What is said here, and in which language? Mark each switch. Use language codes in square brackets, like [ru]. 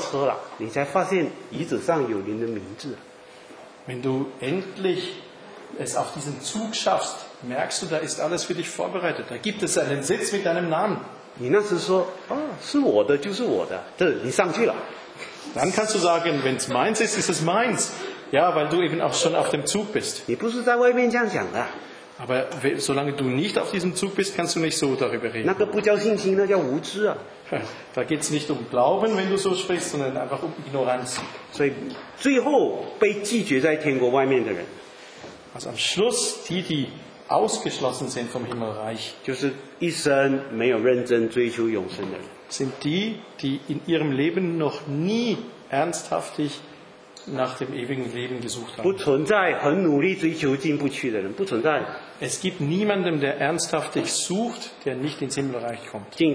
[zh] 你是一上到车了，你才发现椅子上有您的名字。 [de] Wenn du endlich es auf diesen Zug schaffst, merkst du, da ist alles für dich vorbereitet. Da gibt es einen Sitz mit deinem Namen. [zh] 你那时说，啊，是我的就是我的，对，你上去了。 [de] Dann kannst du sagen, wenn es meins ist, ist es meins. Ja, weil du eben auch schon auf dem Zug bist. [zh] 你不是在外面这样讲的。 [de] Aber solange du nicht auf diesem Zug bist, kannst du nicht so darüber reden. [zh] 那个不叫信心，那叫无知啊。 [de] Da geht es nicht um Glauben, wenn du so sprichst, sondern einfach um Ignoranz. [zh] 所以最后被拒绝在天国外面的人。 [de] Also am Schluss die ausgeschlossen sind vom Himmelreich, [zh] 就是一生没有认真追求永生的人, [de] sind die in ihrem Leben noch nie ernsthaft nach dem ewigen Leben gesucht haben. [zh] 不存在很努力追求进不去的人，不存在。 [de] Es gibt niemanden, der ernsthaft sucht, der nicht ins Himmelreich kommt.